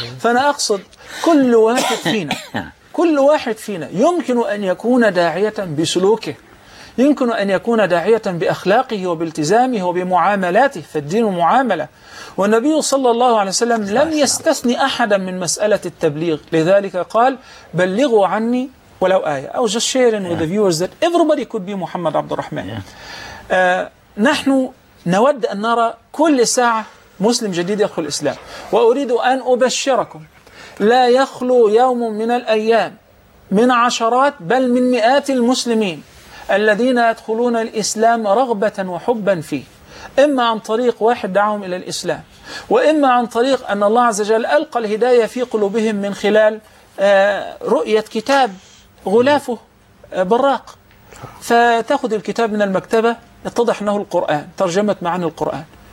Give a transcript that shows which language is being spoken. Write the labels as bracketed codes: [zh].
[ar] فأنا أقصد كل واحد فينا، كل واحد فينا يمكن أن يكون داعية بسلوكه، يمكن أن يكون داعية بأخلاقه وبالتزامه وبمعاملاته، فالدين معاملة. والنبي صلى الله عليه وسلم لم يستثني أحدا من مسألة التبليغ، لذلك قال بلغوا عني ولو آية. أو [en] just sharing with the viewers that everybody could be محمد عبد الرحمن. [ar] نحن نود أن نرى كل ساعة مسلم جديد يدخل الإسلام. وأريد أن أبشركم لا يخلو يوم من الأيام من عشرات بل من مئات المسلمين الذين يدخلون الإسلام رغبة وحبا فيه، إما عن طريق واحد دعاهم إلى الإسلام، وإما عن طريق أن الله عز وجل ألقى الهداية في قلوبهم من خلال رؤية كتاب غلافه براق، فتأخذ الكتاب من المكتبة يتضح أنه القرآن، ترجمة معاني القرآن.